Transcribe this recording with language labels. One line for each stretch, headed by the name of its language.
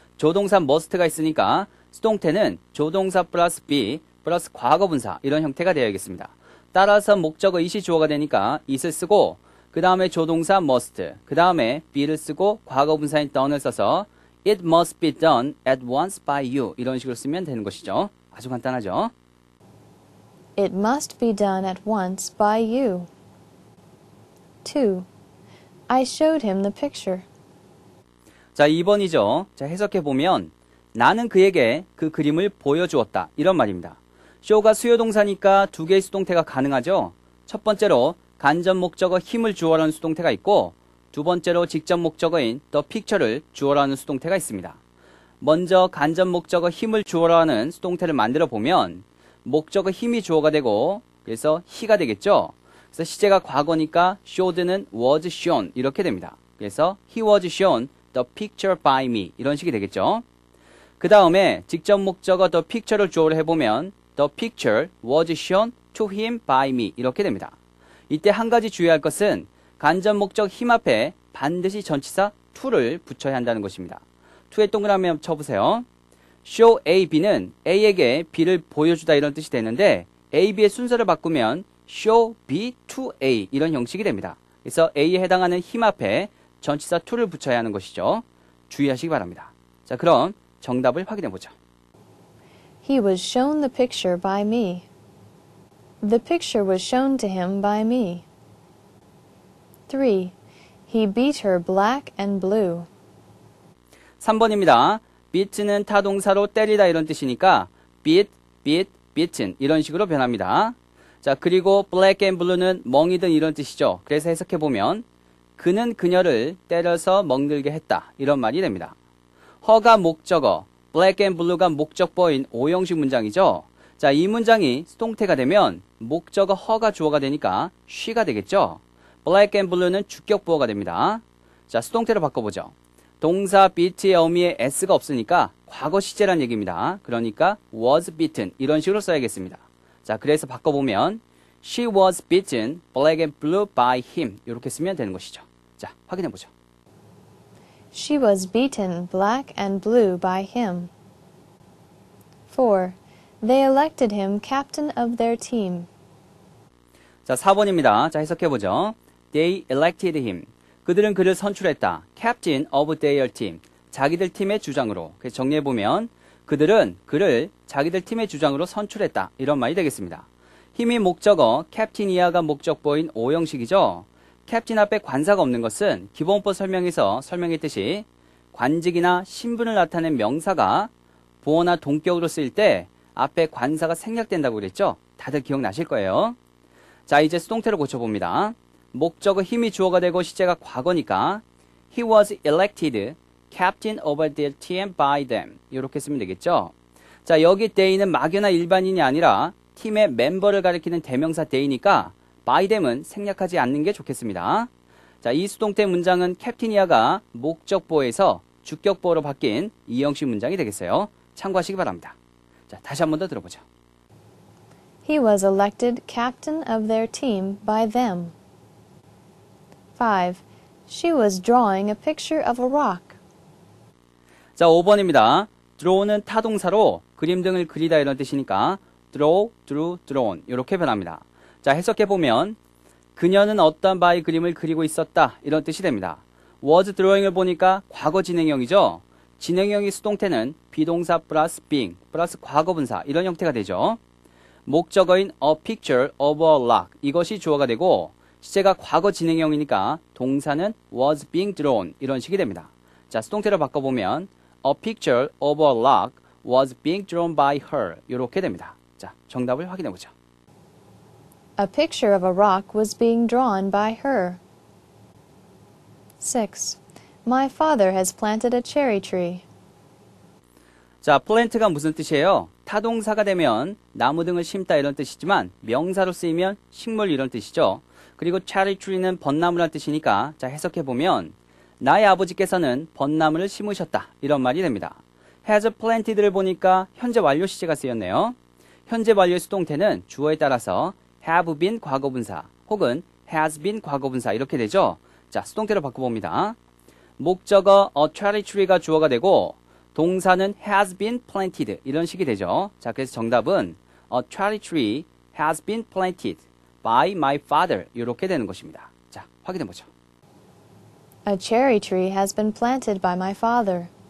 Korean: 조동사 must가 있으니까 수동태는 조동사 플러스 be 플러스 과거분사 이런 형태가 되어야겠습니다. 따라서 목적어 is이 주어가 되니까 is을 쓰고 그 다음에 조동사 must, 그 다음에 be를 쓰고 과거분사인 done을 써서
English: it must be done at once by you
Korean: 이런 식으로 쓰면 되는 것이죠. 아주 간단하죠.
English: It must be done at once by you. 2. I showed him the picture.
Korean: 자, 2번이죠. 자, 해석해보면 나는 그에게 그 그림을 보여주었다. 이런 말입니다. show가 수요동사니까 두 개의 수동태가 가능하죠. 첫 번째로 간접 목적어 him을 주어라는 수동태가 있고 두 번째로 직접 목적어인 the picture를 주어라는 수동태가 있습니다. 먼저 간접 목적어 him을 주어라는 수동태를 만들어보면 목적어 him이 주어가 되고 그래서 he가 되겠죠. 그래서 시제가 과거니까 showed는 was shown 이렇게 됩니다. 그래서
English: he was shown the picture by me
Korean: 이런 식이 되겠죠. 그 다음에 직접 목적어 the picture를 주어를 해보면
English: the picture was shown to him by me
Korean: 이렇게 됩니다. 이때 한 가지 주의할 것은 간접 목적 him 앞에 반드시 전치사 to를 붙여야 한다는 것입니다. to에 동그라미 쳐보세요. show A, B는 A에게 B를 보여주다 이런 뜻이 되는데 A, B의 순서를 바꾸면
English: show B to A
Korean: 이런 형식이 됩니다. 그래서 A에 해당하는 him 앞에 전치사 to를 붙여야 하는 것이죠. 주의하시기 바랍니다. 자, 그럼 정답을 확인해 보죠.
English: He was shown the picture by me. The picture was shown to him by me. 3. He beat her black and blue.
Korean: 3번입니다. beat는 타동사로 때리다 이런 뜻이니까 beat, beat, beaten 이런 식으로 변합니다. 자, 그리고 black and blue는 멍이든 이런 뜻이죠. 그래서 해석해보면 그는 그녀를 때려서 멍들게 했다 이런 말이 됩니다. 허가 목적어, black and blue가 목적어인 5형식 문장이죠. 자, 이 문장이 수동태가 되면 목적어 허가 주어가 되니까 she가 되겠죠. black and blue는 주격 부어가 됩니다. 자, 수동태로 바꿔보죠. 동사 beat의 어미에 s가 없으니까 과거 시제란 얘기입니다. 그러니까 was beaten 이런 식으로 써야겠습니다. 자, 그래서 바꿔보면
English: she was beaten black and blue by him
Korean: 이렇게 쓰면 되는 것이죠. 자, 확인해보죠.
English: She was beaten black and blue by him. 4. They elected him captain of their team.
Korean: 자, 4번입니다. 자, 해석해보죠.
English: They elected him.
Korean: 그들은 그를 선출했다.
English: Captain of their team.
Korean: 자기들 팀의 주장으로. 그래서 정리해보면 그들은 그를 자기들 팀의 주장으로 선출했다. 이런 말이 되겠습니다. him이 목적어, captain 이하가 목적보인 5형식이죠. captain 앞에 관사가 없는 것은 기본법 설명에서 설명했듯이 관직이나 신분을 나타낸 명사가 보어나 동격으로 쓰일 때 앞에 관사가 생략된다고 그랬죠. 다들 기억나실 거예요. 자, 이제 수동태로 고쳐봅니다. 목적어 힘이 주어가 되고 시제가 과거니까
English: He was elected captain of their team by them.
Korean: 이렇게 쓰면 되겠죠. 자, 여기 they는 마귀나 일반인이 아니라 팀의 멤버를 가리키는 대명사 they니까 by them은 생략하지 않는 게 좋겠습니다. 자, 이 수동태 문장은 캡틴 이하가 목적보에서 주격보로 바뀐 2형식 문장이 되겠어요. 참고하시기 바랍니다. 자, 다시 한 번 더 들어보죠.
English: He was elected captain of their team by them. 5. She was drawing a picture of a rock.
Korean: 자, 5번입니다. draw는 타동사로 그림 등을 그리다 이런 뜻이니까 draw, drew, drawn 이렇게 변합니다. 자, 해석해보면 그녀는 어떤 바의 그림을 그리고 있었다 이런 뜻이 됩니다. was drawing을 보니까 과거 진행형이죠. 진행형의 수동태는 비동사 플러스 being 플러스 과거분사 이런 형태가 되죠. 목적어인 a picture of a rock 이것이 주어가 되고 시제가 과거 진행형이니까 동사는 was being drawn 이런 식이 됩니다. 자, 수동태로 바꿔보면
English: a picture of a rock was being drawn by her
Korean: 이렇게 됩니다. 자, 정답을 확인해보죠.
English: A picture of a rock was being drawn by her. 6. My father has planted a cherry tree.
Korean: 자, plant가 무슨 뜻이에요? 타동사가 되면 나무 등을 심다 이런 뜻이지만 명사로 쓰이면 식물 이런 뜻이죠. 그리고 cherry tree는 벚나무란 뜻이니까 자 해석해 보면 나의 아버지께서는 벚나무를 심으셨다 이런 말이 됩니다. Has planted를 보니까 현재 완료 시제가 쓰였네요. 현재 완료의 수동태는 주어에 따라서 have been 과거분사 혹은 has been 과거분사 이렇게 되죠. 자 수동태로 바꿔봅니다. 목적어 a cherry tree가 주어가 되고 동사는 has been planted 이런 식이 되죠. 자 그래서 정답은
English: a cherry tree has been planted by my father
Korean: 이렇게 되는 것입니다. 자 확인해 보죠.
English: A cherry tree has been planted by my father.